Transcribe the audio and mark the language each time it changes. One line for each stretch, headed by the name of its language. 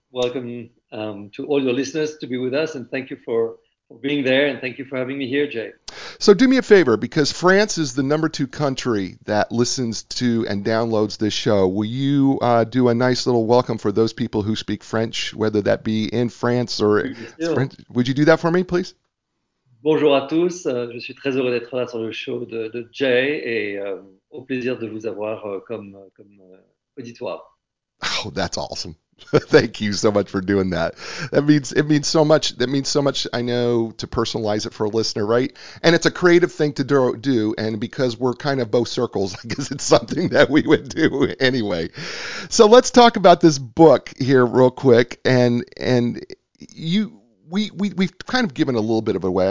English: Welcome to all your listeners to be with us, and thank you for being there, and thank you for having me here, Jay. So do me a favor, because France is the number two country that listens to and downloads this show. Will you do a nice little welcome for those people who speak French, whether that be in France or French? Would you do that for me, please?
French: Bonjour à tous. Je suis très heureux d'être là sur le show de Jay, et au plaisir de vous avoir comme auditoire.
English: Oh, that's awesome. Thank you so much for doing that. That means so much. That means so much, I know, to personalize it for a listener, right? And it's a creative thing to do, and because we're kind of both circles, I guess it's something that we would do anyway. So let's talk about this book here real quick. And we've kind of given a little bit of a way.